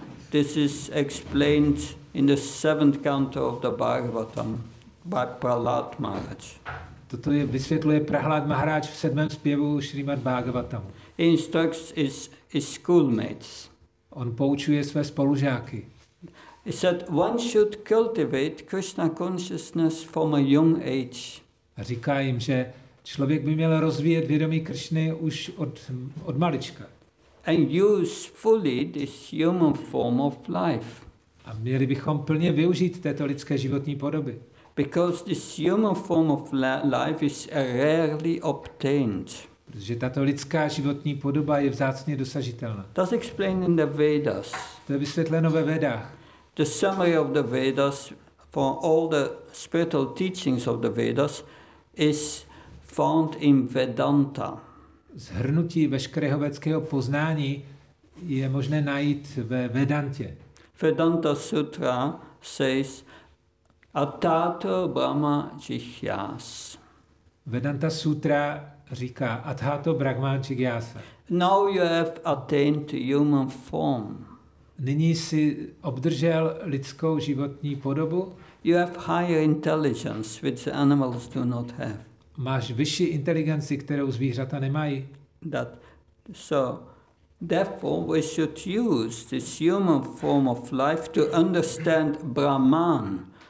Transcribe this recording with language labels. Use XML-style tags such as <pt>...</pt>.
<en>This is explained in the seventh canto of the Bhagavatam by Prahlad Maharaj.</en> <cs>Toto je vysvětluje Prahlad Maharaj v sedmém zpěvu Srimad Bhagavatam.</cs> <en>Instructs his schoolmates.</en> <cs>On poučuje své spolužáky.</cs> <en>He said one should cultivate Krishna consciousness from a young age.</en> <cs>A říká jim, že člověk by měl rozvíjet vědomí Krishny už od malička.</cs> <en>And use fully this human form of life.</en> <cs>A měli bychom plně využít této lidské životní podoby.</cs> <en>Because this human form of life is rarely obtained.</en> <cs>Protože tato lidská životní podoba je vzácně dosažitelná.</cs> <en>That's explained in the Vedas.</en> <cs>To je vysvětleno ve Vedách.</cs> <en>The summary of the Vedas for all the spiritual teachings of the Vedas is found in Vedanta.</en> <cs>Zhrnutí veškerého vedského poznání je možné najít ve Vedantě.</cs> <en>Vedanta Sutra says</en> <sa>Atato Brahma Jihyas.</sa> <cs>Vedanta Sutra říká</cs> <sa>Atato Brahma Jihyas.</sa> <en>Now you have attained human form.</en> <cs>Nyní jsi obdržel lidskou životní podobu.</cs> <en>You have higher intelligence which the animals do not have.</en> <cs>Máš vyšší inteligenci, kterou zvířata nemají.</cs> <en>That so therefore we should use this human form of life to understand Brahman.</en>